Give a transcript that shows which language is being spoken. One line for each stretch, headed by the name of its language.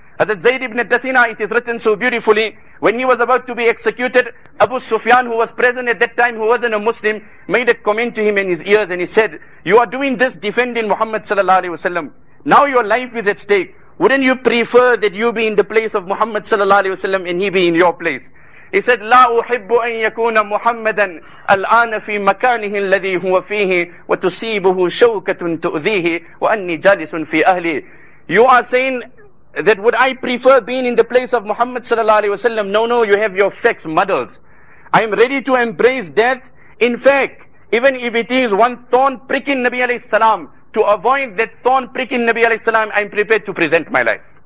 English: Hazrat Zayd ibn Dathina, it is written so beautifully, when he was about to be executed, Abu Sufyan, who was present at that time, who wasn't a Muslim, made a comment to him in his ears and he said, you are doing this defending Muhammad sallallahu alayhi wa sallam. Now your life is at stake. Wouldn't you prefer that you be in the place of Muhammad sallallahu alayhi wa sallam and he be in your place? He said,
Arabic: لا أحب أن يكون محمدا الآن في مكانه الذي هو فيه وتصيبه شوكة تؤذيه وأني جالس في أهلي.
English: You are saying that would I prefer being in the place of Muhammad sallallahu alayhi wa sallam? No, no, you have your facts muddled. I am ready to embrace death. In fact, even if it is one thorn pricking Nabi alayhi salam, to avoid that thorn pricking Nabi alayhi salam, I am prepared to present my life.